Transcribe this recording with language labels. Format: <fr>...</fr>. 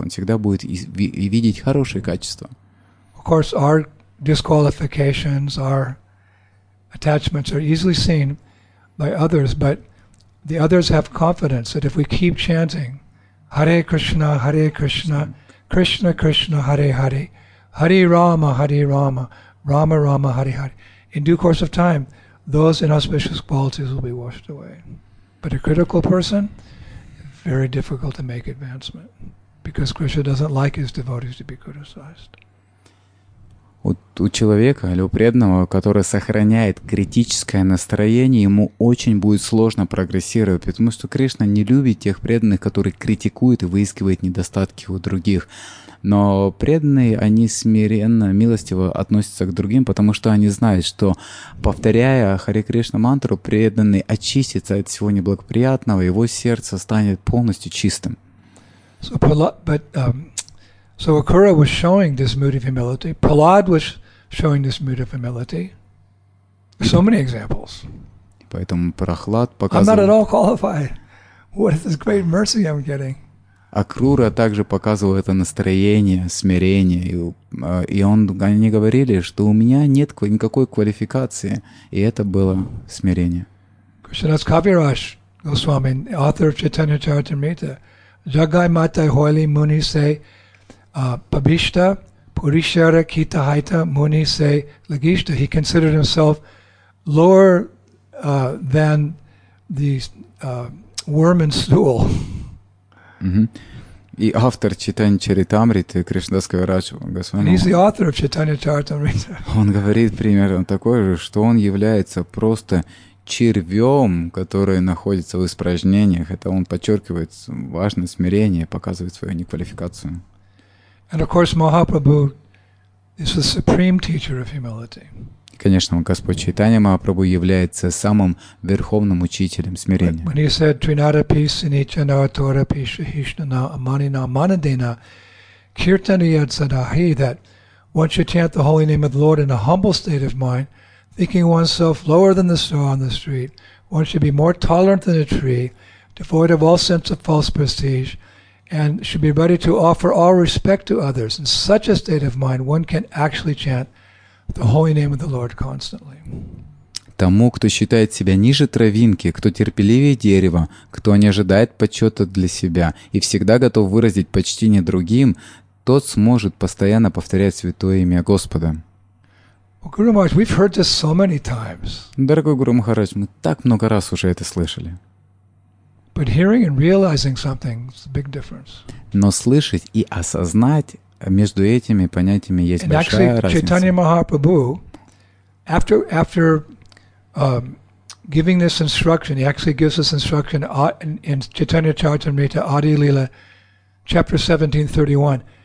<ru>Он всегда будет видеть хорошие качества.</ru> <en>Of course, our disqualifications, our attachments are easily seen by others, but the others have confidence that if we keep chanting Hare Krishna, Hare Krishna, Krishna Krishna, Hare Hare, Hari Rama, Hari Rama, Rama Rama, Hari Hari. In due course of time, those inauspicious qualities will be washed away. But a critical person, very difficult to make advancement, because Krishna doesn't like his devotees to be criticized.</en> <ru>У человека или у преданного, который сохраняет критическое настроение, ему очень будет сложно прогрессировать, потому что Кришна не любит тех преданных, которые критикуют и выискивают недостатки у других. Но преданные, они смиренно, милостиво относятся к другим, потому что они знают, что, повторяя Харе Кришна мантру, преданный очистится от всего неблагоприятного, его сердце станет полностью чистым.</ru> <en>So Akura was showing this mood of humility. Prahlad was showing this mood of humility. So many examples.</en> <ru>Поэтому Прохлад показывает.</ru> <en>I'm not at all qualified. What is this great mercy I'm getting?</en> <ru>Акрура также показывал это настроение, смирение. И они говорили, что у меня нет никакой квалификации. И это было смирение.</ru> <en>Кришнадас Кавираж Госвами, author of Chaitanya Charitamrita, Jagai Matai Hoili Muni Se Pabishta Purishara Kita Haita Muni Se Lagishta. He considered himself lower than the worm and stool. Mm-hmm.</en> <ru>И автор Чайтанья Чаритамриты, Кришнадас Кавирадж Госвами, он говорит примерно такое же, что он является просто червем, который находится в испражнениях. Это он подчеркивает важность смирения, показывает свою неквалификацию.</ru> <en>And of course, Mahaprabhu is the supreme teacher of humility.</en> <ru>Конечно, Господь Чайтанья Махапрабху является самым верховным учителем смирения.</ru> <en>When he said Trinadapi Sinichana Torapi Shahishnana Amanina Manadina Kirtaniyad Sadahi, that once you chant the holy name of the Lord in a humble state of mind, thinking oneself lower than the snow on the street, one should be more tolerant than a tree, devoid of all sense of false prestige, and should be ready to offer all respect to others. In such a state of mind, one can actually chant the holy name of the Lord constantly.</en> <ru>Тому, кто считает себя ниже травинки, кто терпеливее дерева, кто не ожидает почета для себя и всегда готов выразить почтение другим, тот сможет постоянно повторять святое имя Господа.</ru> <en>Well, Guru Maharaj, we've heard this so many times.</en> <ru>Дорогой Гуру Махарадж, мы так много раз уже это слышали.</ru> <en>But hearing and realizing something is a big difference.</en> <ru>Но слышать и осознать между этими понятиями есть большая разница.</ru> <en>And actually, Chaitanya Mahaprabhu, after giving this instruction, he actually gives this instruction in Chaitanya Charitamrita Adi Lila, chapter 17:31.</en>